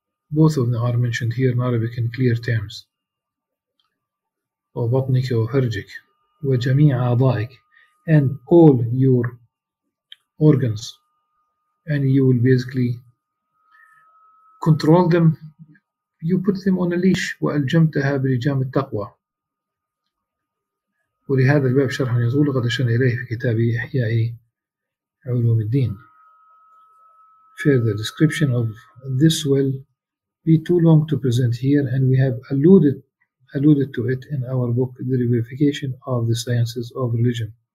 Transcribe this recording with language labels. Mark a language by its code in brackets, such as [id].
[en] Both of them are mentioned here in Arabic in clear terms. [ar] وبطنك وفرجك وجميع أعضائك [en] and all your organs and you will basically control them, you put them on a leash [ar] وألجمتها بلجام التقوى. ولهذا الباب شرح يزول قد أشرنا إليه في كتاب إحياء علوم الدين. [en] Further description of this will be too long to present here and we have alluded alluded to it in our book, The Reverification of the Sciences of Religion.